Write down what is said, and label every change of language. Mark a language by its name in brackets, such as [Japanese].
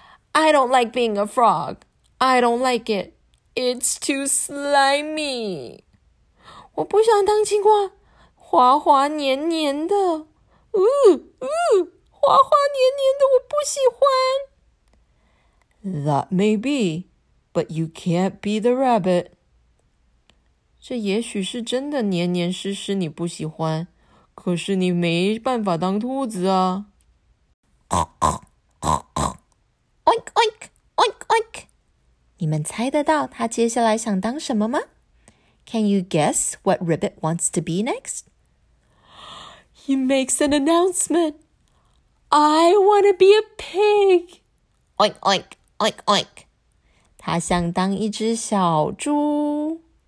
[English] I don't like being a frog. I don't like it. It's too slimy. [Chinese] 我不想当青蛙。滑滑黏黏的，滑滑黏黏的，我不喜欢。 [English] That may be, but you can't be the rabbit. [Chinese] 这也许是真的黏黏湿湿你不喜欢，可是你没办法当兔子啊。 [English] Oink oink oink oink. [Chinese] 你们猜得到他接下来想当什么吗？ [English] Can you guess what Ribbit wants to be next? He makes an announcement. I want to be a pig. Oink, oink, oink, oink. [Chinese] 他想当一只小猪。